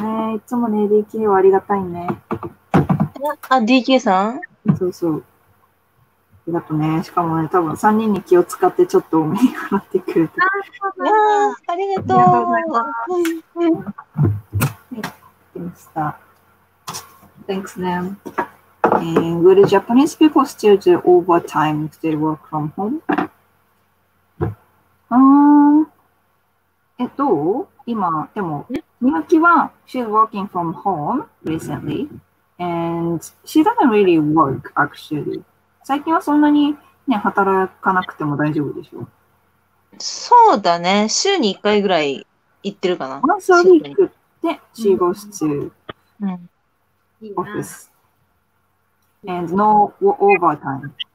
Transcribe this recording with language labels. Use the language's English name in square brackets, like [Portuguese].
[Japanese] ね、いつもね、DK はありがたいね。あ、DK さん？そうそう。ありがとうね。しかもね、多分3人に気を使ってちょっと多めに払ってくれて。ありがとう。ありがとうございます。できました。 [English] Thanks, man. And will the Japanese people still do overtime if they work from home? [Japanese] どう？今、でも、みゆきは、 [English] she's working from home recently, and she doesn't really work, actually. [Japanese] 最近はそんなに、ね、働かなくても大丈夫でしょ？そうだね。週に1回ぐらい行ってるかな。 [English] Once a week, で、she goes to office. And no overtime.